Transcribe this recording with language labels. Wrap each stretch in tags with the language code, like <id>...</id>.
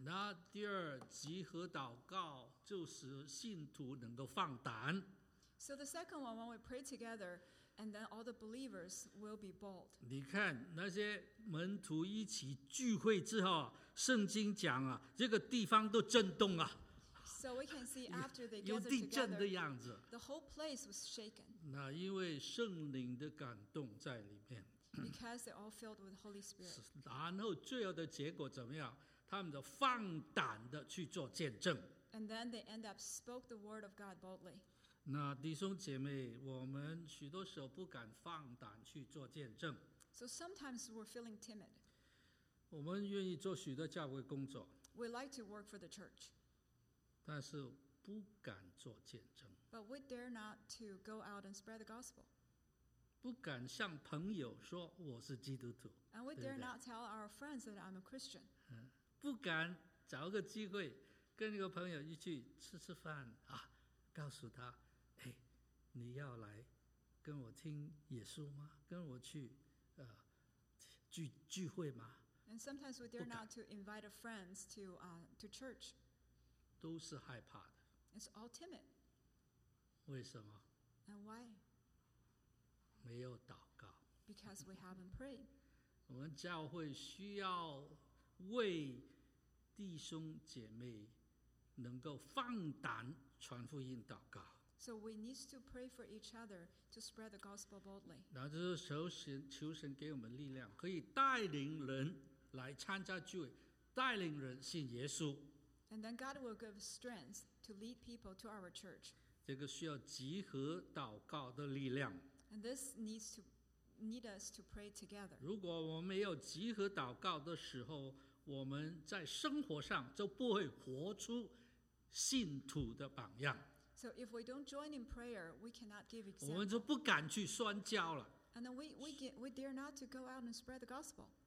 <zh>那第二，集合祷告就使信徒能够放胆。</zh> <en>So the second one, when we pray together, and then all the believers will be bold.</en> <zh>你看那些门徒一起聚会之后，圣经讲啊，这个地方都震动啊。</zh> <en>So we can see after they gathered together, the whole place was shaken.</en> <zh>那因为圣灵的感动在里面。</zh> <en>Because they're all filled with the Holy Spirit.</en> <zh>然后最后的结果怎么样？他们就放胆的去做见证。</zh> <en>And then they end up spoke the word of God boldly.</en> <zh>那弟兄姐妹，我们许多时候不敢放胆去做见证。</zh> <en>So sometimes we're feeling timid.</en> <zh>我们愿意做许多教会工作。</zh> <en>We like to work for the church.</en> <zh>但是不敢做见证。</zh> <en>But we dare not to go out and spread the gospel.</en> <zh>不敢向朋友说我是基督徒。</zh> <en>And we dare not tell our friends that I'm a Christian.</en> <zh>不敢找个机会跟一个朋友一起吃吃饭啊，告诉他，哎，你要来跟我听耶稣吗？跟我去聚会吗？</zh> <en>And sometimes we dare not to invite a friend to church.</en> <zh>都是害怕的。</zh> <en>It's all timid.</en> <zh>为什么？</zh> <en>And why?</en> <zh>没有祷告。</zh> <en>Because we haven't prayed.</en> <zh>我们教会需要为弟兄姐妹能够放胆传福音祷告。</zh> <en>So we need to pray for each other to spread the gospel boldly.</en> <zh>那就是求神给我们力量，可以带领人来参加聚会，带领人信耶稣。</zh> <en>And then God will give strength to lead people to our church.</en> <zh>这个需要集合祷告的力量。</zh> <en>And this needs us to pray together.</en> <zh>如果我们没有集合祷告的时候，我们在生活上就不会活出信徒的榜样。</zh> <en>So if we don't join in prayer, we cannot give example.</en> <zh>我们就不敢去宣教了。</zh> <en>And then we dare not to go out and spread the gospel.</en>